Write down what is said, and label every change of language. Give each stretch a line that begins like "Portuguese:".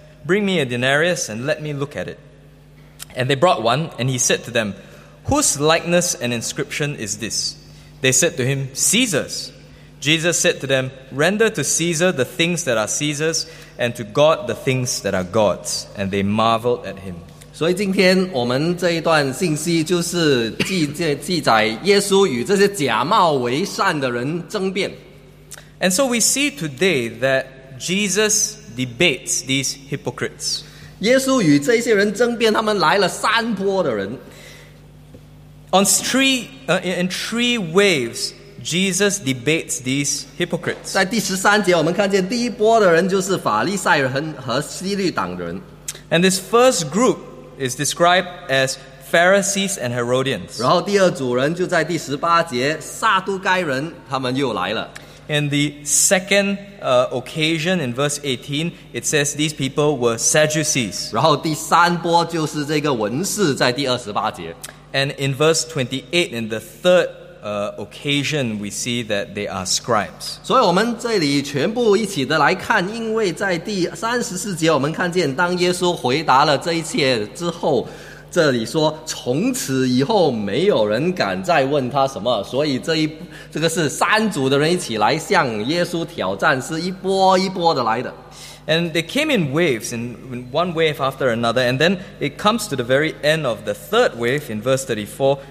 English: Bring me a denarius and let me look at it. And they brought one, and he said to them, Whose likeness and inscription is this? They said to him, Caesar's. Jesus said to them, "Render to Caesar the things that are Caesar's, and to God the things that are God's." And they marveled at him.
Chinese: 所以今天我们这一段信息就是 记载耶稣与这些假冒为善的人争辩。
English: And so we see today that Jesus debates these hypocrites.
Chinese: 耶稣与这些人争辩，他们来了三波的人。
English: In three waves, Jesus debates these hypocrites.
Chinese: 在第十三节，我们看见第一波的人就是法利赛人和西律党的人。
English: And this first group is described as Pharisees and Herodians.
Chinese: 然后第二组人就在第十八节，撒都该人他们又来了。
English: In the second occasion, in verse 18, it says these people were Sadducees.
Chinese: 然后第三波就是这个文士在第二十八节。
English: And in verse 28, in the third occasion, we see that they are scribes.
Chinese: 所以我们这里全部一起的来看，因为在第三十四节我们看见，当耶稣回答了这一切之后，这里说从此以后没有人敢再问他什么，所以这个是三组的人一起来向耶稣挑战，是一波一波的来的。
English: And they came in waves, in one wave after another, and then it comes to the very end of the third wave in verse 34.